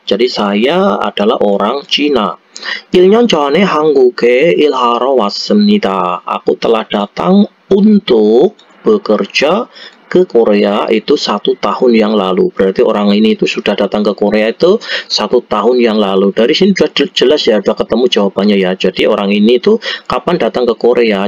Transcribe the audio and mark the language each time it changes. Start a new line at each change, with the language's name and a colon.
Indonesian: Jadi saya adalah orang Cina.
Korean: 1년 전에 한국에 일하러 왔습니다.
Indonesian: Aku telah datang untuk bekerja ke Korea itu satu tahun yang lalu. Berarti orang ini itu sudah datang ke Korea itu satu tahun yang lalu. Dari sini sudah jelas ya, sudah ketemu jawabannya ya. Jadi orang ini itu kapan datang ke Korea?